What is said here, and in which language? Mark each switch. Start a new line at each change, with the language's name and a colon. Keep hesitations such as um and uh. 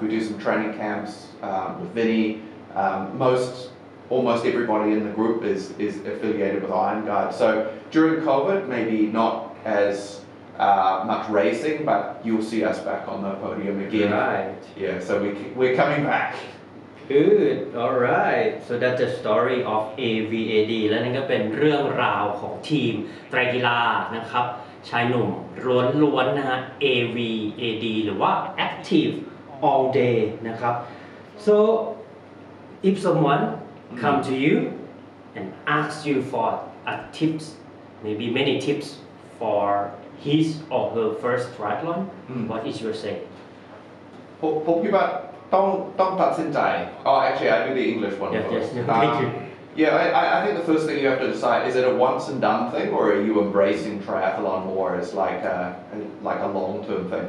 English: We do some training camps um, with Vinny. Um, most, almost everybody in the group is, is affiliated with Iron Guard. So during COVID, maybe not as uh, much racing, but you'll see us back on the podium again. Yeah, right. Yeah, so we, we're coming back. Good, alright. So that's the story of AVAD
Thai: และนั่นก็เป็น เรื่องราวของทีมไตรกีฬานะครับชายหนุ่มร้อนๆนนนะฮะ
English: AVAD
Thai: หรือว่า
English: Active All Day
Thai: นะครับ
English: so if someone come to you and a s k you for a tips maybe many tips for his or her first triathlon what is your say
Thai: ผมคิดว่าต้องต้องตัดสินใจ
English: oh actually I do the English one y e first yes, thank you. Yeah, I, I think the first thing you have to decide is it a once and done thing, or are you embracing triathlon more as like a like a long term thing?